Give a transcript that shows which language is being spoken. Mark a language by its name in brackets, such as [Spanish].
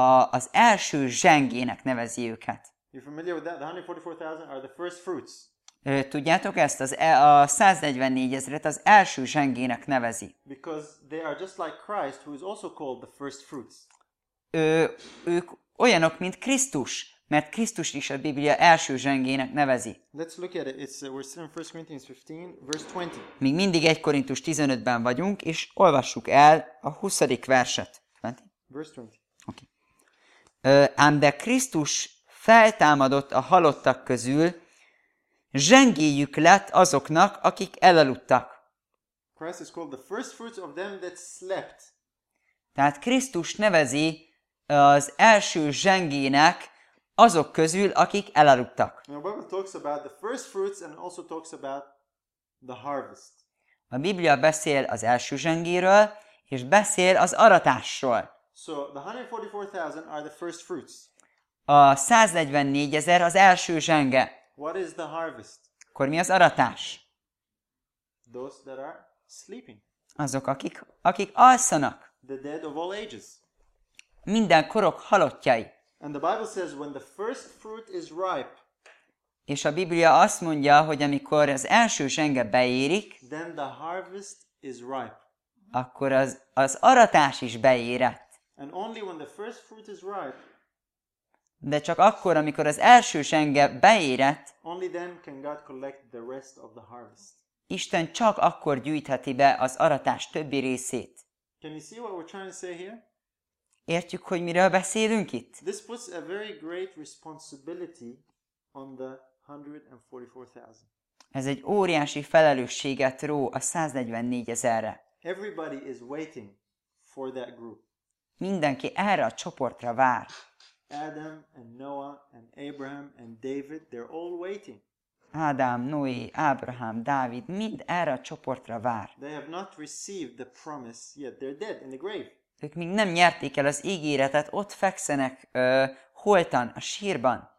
[Hungarian] Az első zsengének nevezi őket. [English] You're familiar with that? The 144,000 are the first fruits. [Hungarian] Tudjátok ezt? A 144 ezeret az első zsengének nevezi. [English] Because they are just like Christ, who is also called the first fruits. [Hungarian] Ők olyanok, mint Krisztus, mert Krisztus is a Biblia első zsengének nevezi. [English] Let's look at it. We're still in 1 Corinthians 15, verse 20. [Hungarian] Még mindig 1 Korintus 15-ben vagyunk, és olvassuk el a 20. verset. 20? [English] Verse 20. Okay. [Hungarian] Ám de Krisztus feltámadott a halottak közül, zsengéjük lett azoknak, akik elaludtak. [English] Christ is called the first fruits of them that slept. [Hungarian] Tehát Krisztus nevezi az első zsengének azok közül, akik elaludtak. [English] The Bible talks about the first fruits and also talks about the harvest. [Hungarian] A Biblia beszél az első zsengéről, és beszél az aratásról. [English] So the 144,000 are the first fruits. [Hungarian] A 144 ezer az első zsenge. [English] What is the harvest? [Hungarian] Akkor mi az aratás? [English] Those that are sleeping. [Hungarian] Azok, akik alszanak. [English] The dead of all ages. [Hungarian] Minden korok halottjai. [English] And the Bible says when the first fruit is ripe. [Hungarian] És a Biblia azt mondja, hogy amikor az első zsenge beérik, [English] then the harvest is ripe. [Hungarian] Akkor az aratás is beérett. [English] And only when the first fruit is ripe. [Hungarian] De csak akkor, amikor az első zsenge beérett, [English] only then can God collect the rest of the harvest. [Hungarian] Isten csak akkor gyűjtheti be az aratás többi részét. [English] Can you see what we're trying to say here? [Hungarian] Értjük, hogy miről beszélünk itt? [English] This puts a very great responsibility on the 144,000. [Hungarian] Ez egy óriási felelősséget ró a 144 ezerre. [English] Everybody is waiting for that group. [Hungarian] Mindenki erre a csoportra vár. [English] Adam and Noah and Abraham and David, they're all waiting. [Hungarian] Adam, Noé, Abraham, Dávid, mind erre a csoportra vár. [English] They have not received the promise yet. They're dead in the grave. [Hungarian] Ők még nem nyerték el az ígéretet, ott fekszenek holtan, a sírban.